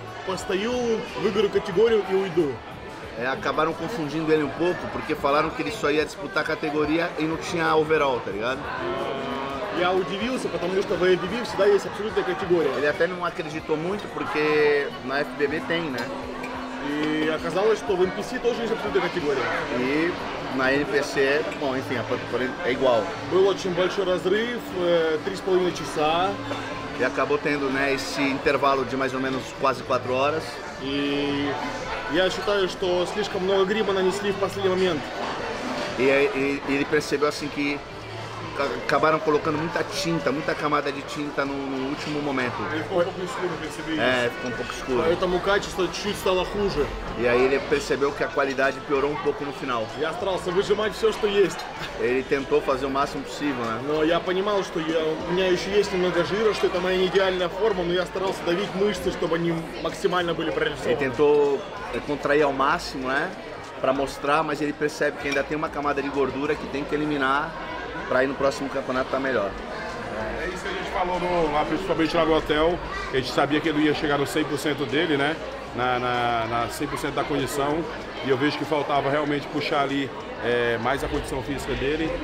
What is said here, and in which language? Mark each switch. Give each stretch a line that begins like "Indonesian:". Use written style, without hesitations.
Russian: Постою, выберу категорию и уйду.
Portuguese: Acabaram confundindo ele um pouco, porque falaram que ele só ia disputar a categoria e não tinha overall, tá ligado?
Russian: Я удивился, потому что в FBB всегда есть абсолютная категория.
Portuguese: Ele até não acreditou muito, porque na FBB tem, né?
Russian: E оказалось, что в NPC тоже есть абсолютная категория.
Portuguese: E na NPC, bom, enfim, é igual.
Russian: Был очень большой разрыв, 3,5 часа.
Portuguese: E acabou tendo, né, esse intervalo de mais ou menos quase 4 horas. E eu acho que
Russian: слишком много гриба нанесли в последний момент.
Portuguese: E ele percebeu assim que acabaram colocando muita tinta, muita camada de tinta no último momento. Ele ficou um pouco escuro, percebi isso. Ficou um pouco escuro. Aí está lacuja. E aí ele percebeu que a qualidade piorou um pouco no final.
Russian: Я старался выжать максимум, что есть.
Portuguese: Ele tentou fazer o máximo possível, né?
Russian: Но я понимал, что у меня еще есть немного жира, что это моя идеальная форма, но я старался давить мышцы, чтобы они максимально были прорисованы.
Portuguese: Ele tentou contrair ao máximo, né? Para mostrar, mas ele percebe que ainda tem uma camada de gordura que tem que eliminar para ir no próximo campeonato estar melhor. É isso que a gente falou lá, principalmente lá no hotel, que a gente sabia que ele ia chegar no 100% dele, né? Na 100% da condição. E eu vejo que faltava realmente puxar ali mais a condição física dele.